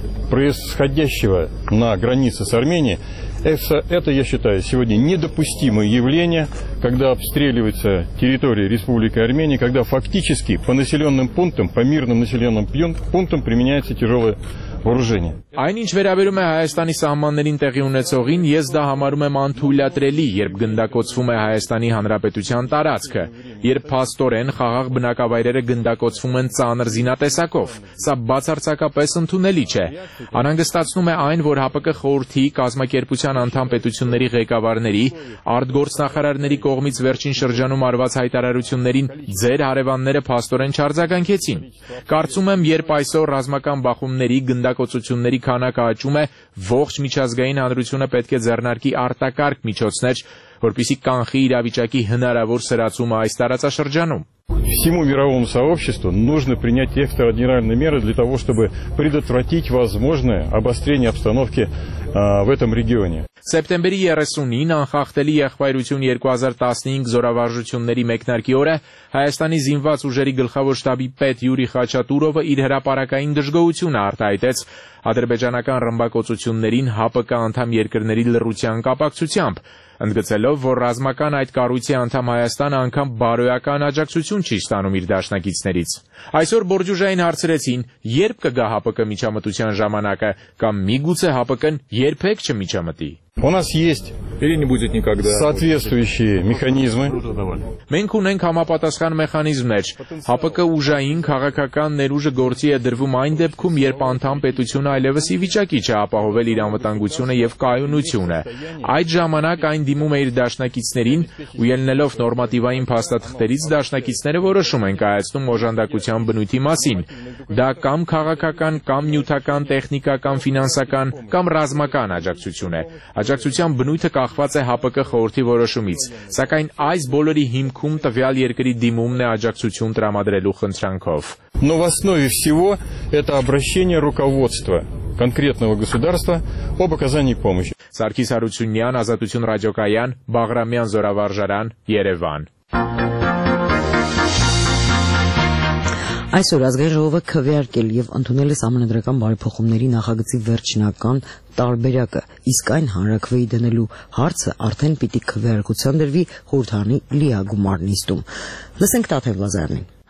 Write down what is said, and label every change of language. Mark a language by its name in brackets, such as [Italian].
[Russian] Происходящего на границе с Арменией, это, я считаю, сегодня недопустимое явление, когда обстреливается территория Республики Армении, когда фактически по населенным пунктам, по мирным населенным пунктам применяется тяжелое вооружение. [Armenian] Այն ինչ վերաբերում է Հայաստանի սահմաններին տեղի ունեցողին, ես դա համարում եմ անթույլատրելի, երբ գնդակոծվում է Հայաստանի Հանրապետության տարածքը, երբ փաստորեն խաղաղ բնակավայրերը գնդակոծվում են ծանր զինատեսակով, սա բացարձակապես ընդունելի չէ։ Անհանգստացնում է այն, որ ՀԱՊԿ խորհրդի կազմակերպության անդամ պետությունների ղեկավարների, արտգործնախարարների կողմից վերջին շրջանում արված հայտարարություններին ձեր հարևանները փաստորեն չարձագանքեցին։ Կարծում եմ, երբ այսօր ռազմական բախումների գնդակոծությունների քանակը աճում է, ողջ միջազգային հանրությունը պետք է ձեռնարկի արտակարգ միջոցներ, որպիսի կանխի իրավիճակի հնարավոր սրացումը այս տարածաշրջանում։ [Russian] Всему мировому сообществу нужно принять экстраординарные меры для того, чтобы предотвратить возможное обострение обстановки в этом регионе. [Armenian] Սեպտեմբերի 30-ին անխախտելի եղբայրություն 2015 զորավարժությունների մեկնարկի օրը Հայաստանի զինված ուժերի գլխավոր շտաբի պետ Յուրի Խաչատուրովը իր հրապարակային դժգոհությունը արտահայտեց ադրբեջանական ռմբակոծություններին ՀԱՊԿ անդամ երկրների լռության կապակցությամբ, ընդգծելով, որ ռազմական այդ կառույցի անդամ Հայաստանը անգամ բարոյական աջակցություն չի ստանում իր դաշնակիցներից։ Այսօր Բորջուժային հարցրեցին, երբ կգա ՀԱՊԿ-ի միջամտության ժամանակը, կամ միգուցե ՀԱՊԿ-ն երբեք չմիջամտի։ [Russian] У нас есть соответствующие механизмы. [Armenian] Մենք ունենք համապատասխան մեխանիզմներ։ ՀԱՊԿ ուժային քաղաքական ներուժը գործի է դրվում այն դեպքում, երբ անդամ պետությունը այլևս ի վիճակի չէ ապահովել իր անվտանգությունը եւ կայունությունը։ Այդ ժամանակ այն դիմում է իր դաշնակիցներին, ու ելնելով նորմատիվային փաստաթղթերից դաշնակիցները որոշում են կայացնում օժանդակության բնույթի մասին։ Դա կամ քաղաքական, կամ նյութական, տեխնիկական, ֆինանսական, կամ ռազմական աջակցություն է։ Աջակցության բնույթը կախված է ՀԱՊԿ խորհրդի որոշումից, սակայն այս բոլորի հիմքում տվյալ երկրի դիմումն է աջակցություն տրամադրելու խնդրանքով։ [Russian] Но в основе всего это обращение руководства конкретного государства об оказании помощи. [Armenian] Սարգիս Հարությունյան, Ազատություն ռադիոկայան, Բաղրամյան զորավարժարան, Երևան։ Այսօր ազգային ժողովը քվեարկել եւ ընդունել է ամենադրական բարեփոխումների նախագծի վերջնական տարբերակը, իսկ այն հանրաքվեի դնելու հարցը արդեն պիտի քվեարկության դրվի խորհրդանի լիագումար նիստում։ Լսենք Տաթև Լազարյանին։